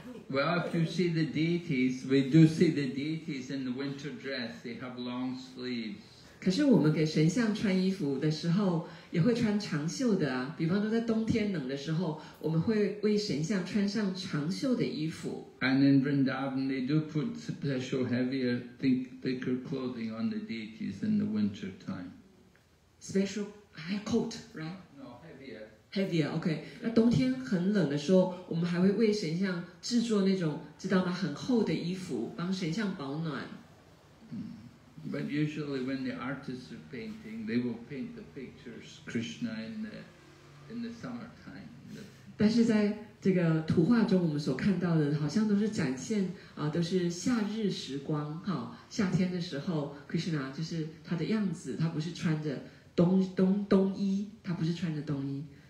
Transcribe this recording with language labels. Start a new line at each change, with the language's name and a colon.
English: Well, if you see the deities, we do see the deities in the winter dress. They have long sleeves.
Chinese: 可是我们给神像穿衣服的时候，也会穿长袖的啊。比方说，在冬天冷的时候，我们会为神像穿上长袖的衣服。
English: And in Vrindavan, they do put special heavier, thicker clothing on the deities in the winter time. Special high coat, right? No, heavier. Heavier, okay.
Chinese: 那冬天很冷的时候，我们还会为神像制作那种，知道吗？很厚的衣服，帮神像保暖。
English: But usually when the artists are painting, they will paint the pictures Krishna in the summertime.
Chinese: 但是在这个图画中，我们所看到的好像都是展现啊，都是夏日时光哈，夏天的时候 ，Krishna 就是他的样子，他不是穿着冬衣，他不是穿着冬衣。